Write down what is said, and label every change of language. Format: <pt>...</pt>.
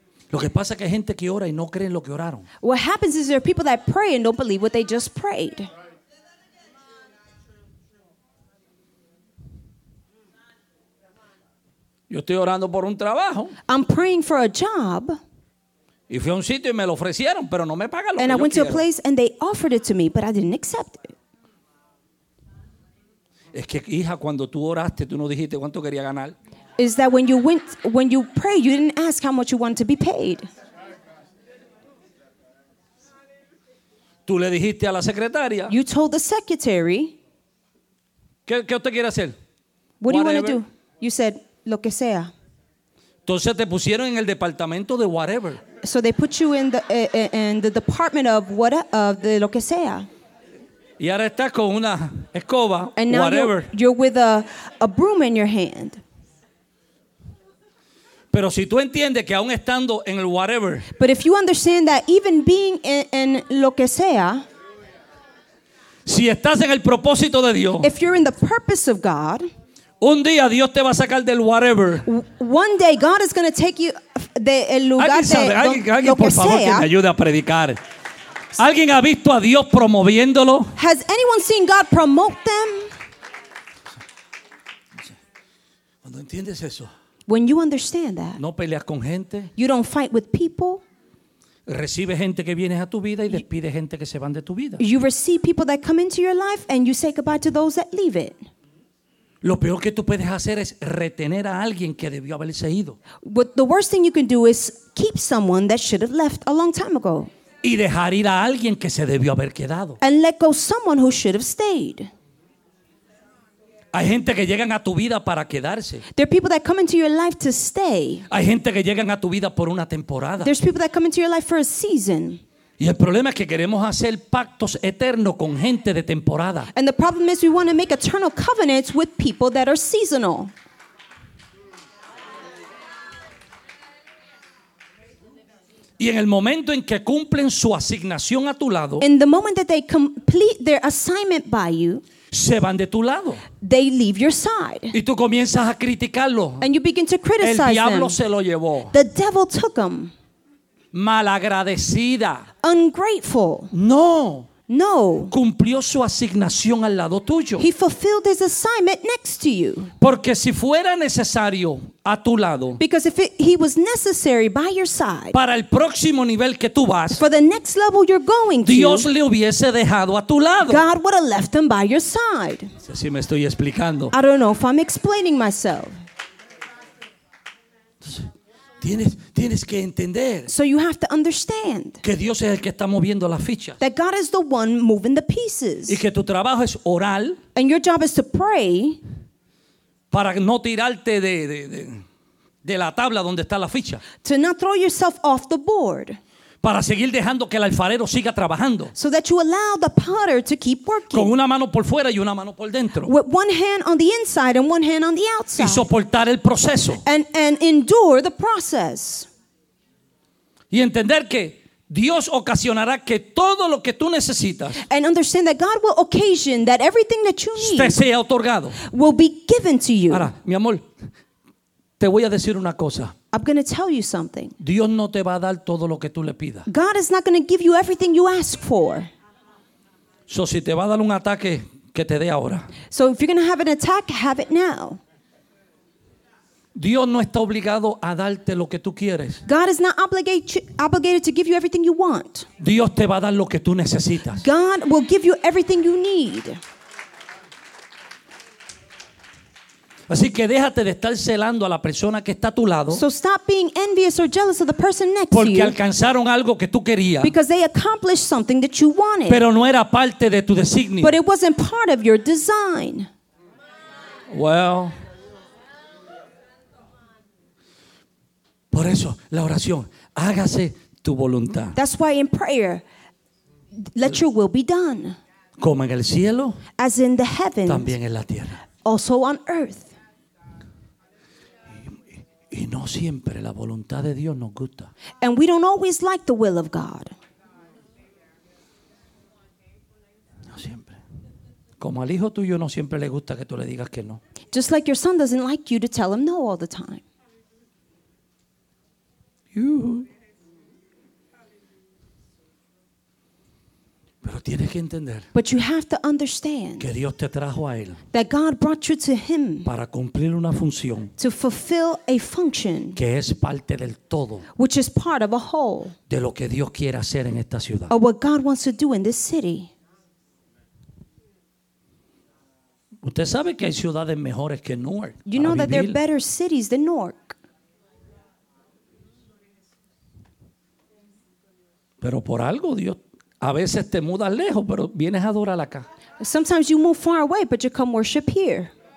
<es>Lo que pasa es que hay gente que ora y no cree en lo que oraron.</es> <en>What happens is there are people that pray and don't believe what they just prayed.</en> <es>Yo estoy orando por un trabajo.</es> <en>I'm praying for a job.</en> <es>Y fui a un sitio y me lo ofrecieron, pero no me pagan lo yo quiero.</es> <en>And I went to a place and they offered it to me, but I didn't accept it.</en> <es>Es que hija, cuando tú oraste, tú no dijiste cuánto quería ganar.</es> <en>Is that when you prayed, you didn't ask how much you want to be paid?</en> <es>Tú le dijiste a la secretaria.</es> <en>You told the secretary.</en> <es>¿Qué usted quiere hacer?</es> <en>What do you want to do? You said</en> <es>lo que sea. Entonces te pusieron en el departamento de whatever.</es> <en>So they put you in the department of what of the</en> <es>lo que sea. Y ahora estás con una escoba,</es> <en>and now whatever. You're with a broom in your hand.</en> <es>Pero si tú entiendes que aún estando en el whatever.</es> <en>But if you understand that even being in</en> <es>lo que sea. Si estás en el propósito de Dios.</es> <en>If you're in the purpose of God.</en> <es>Un día Dios te va a sacar del whatever.</es> <en>One day God is going to take you</en> <es>de el lugar ¿Alguien sabe? De ¿Alguien, lo, alguien lo por que favor sea. Que me ayude a predicar. ¿Alguien ha visto a Dios promoviéndolo?</es> <en>Has anyone seen God promote them?</en> <es>Cuando entiendes eso.</es> <en>When you understand that.</en> <es>No peleas con gente.</es> <en>You don't fight with people.</en> <es>Recibe gente que viene a tu vida y despide gente que se van de tu vida.</es> <en>You receive people that come into your life and you say goodbye to those that leave it.</en> <es>Lo peor que tú puedes hacer es retener a alguien que debió haberse ido.</es> <en>But the worst thing you can do is keep someone that should have left a long time ago.</en> <es>Y dejar ir a alguien que se debió haber quedado.</es> <en>And let go someone who should have stayed.</en> <es>Hay gente que llegan a tu vida para quedarse.</es> <en>There are people that come into your life to stay.</en> <es>Hay gente que llegan a tu vida por una temporada.</es> <en>There's people that come into your life for a season.</en> <es>Y el problema es que queremos hacer pactos eternos con gente de temporada.</es> <en>And the problem is we want to make eternal covenants with people that are seasonal.</en> <es>Y en el momento en que cumplen su asignación a tu lado.</es> <en>In the moment that they complete their assignment by you.</en> <es>Se van de tu lado.</es> <en>They leave your side.</en> <es>Y tú comienzas a criticarlo.</es> <en>And you begin to criticize them.</en> <es>El diablo se lo llevó.</es> <en>The devil took them.</en> <es>Malagradecida.</es> <en>Ungrateful.</en> <es>No. Cumplió su asignación al lado tuyo.</es> <en>He fulfilled his assignment next to you.</en> <es>Porque si fuera necesario a tu lado.</es> <en>Because if he was necessary by your side.</en> <es>Para el próximo nivel que tú vas.</es> <en>For the next level you're going to.</en> <es>Dios le hubiese dejado a tu lado.</es> <en>God would have left him by your side.</en> <es>No sé si me estoy explicando.</es> <en>I don't know if I'm explaining myself.</en> <es>Tienes que entender.</es> <en>So you have to understand.</en> <es>Que Dios es el que está moviendo las fichas.</es> <en>That God is the one moving the pieces.</en> <es>Y que tu trabajo es orar.</es> <en>And your job is to pray.</en> <es>Para no tirarte de la tabla donde está la ficha.</es> <en>To not throw yourself off the board.</en> <es>Para seguir dejando que el alfarero siga trabajando.</es> <en>So that you allow the potter to keep working.</en> <es>Con una mano por fuera y una mano por dentro.</es> <en>With one hand on the inside and one hand on the outside.</en> <es>Y soportar el proceso.</es> <en>And endure the process.</en> <es>Y entender que Dios ocasionará que todo lo que tú necesitas.</es> <en>And understand that God will occasion that everything that you need.</en> <es>Te sea otorgado.</es> <en>Will be given to you.</en> <es>Ahora, mi amor. Te voy a decir una cosa.</es> <en>I'm going to tell you something.</en> <es>Dios no te va a dar todo lo que tú le pidas.</es> <en>God is not going to give you everything you ask for.</en> <es>So si te va a dar un ataque, que te dé ahora.</es> <en>So if you're going to have an attack, have it now.</en> <es>Dios no está obligado a darte lo que tú quieres.</es> <en>God is not obligated to give you everything you want.</en> <es>Dios te va a dar lo que tú necesitas.</es> <en>God will give you everything you need.</en> <es>Así que déjate de estar celando a la persona que está a tu lado.</es> <en>So stop being envious or jealous of the person next to you.</en> <es>Porque alcanzaron algo que tú querías.</es> <en>Because they accomplished something that you wanted.</en> <es>Pero no era parte de tu designio.</es> <en>But it wasn't part of your design. Well.</en> <es>Por eso, la oración, hágase tu voluntad.</es> <en>That's why in prayer, let your will be done.</en> <es>Como en el cielo.</es> <en>As in the heavens.</en> <es>También en la tierra.</es> <en>Also on earth.</en> <es>Y no siempre la voluntad de Dios nos gusta.</es> <en>And we don't always like the will of God.</en> <es>No siempre. Como al hijo tuyo no siempre le gusta que tú le digas que no.</es> <en>Just like your son doesn't like you to tell him no all the time.</en> <es>Pero tienes que entender.</es> <en>But you have to understand.</en> <es>Que Dios te trajo a él.</es> <en>That God brought you to him.</en> <es>Para cumplir una función.</es> <en>To fulfill a function.</en> <es>Que es parte del todo.</es> <en>Which is part of a whole.</en> <es>De lo que Dios quiere hacer en esta ciudad.</es> <en>Of what God wants to do in this city.</en> <es>Usted sabe que hay ciudades mejores que Newark.</es> <en>You know that there are better cities than Newark.</en> <es>Pero por algo Dios. A veces te mudas lejos, pero vienes a adorar acá.</es> <en>Sometimes you move far away, but you come worship here.</en>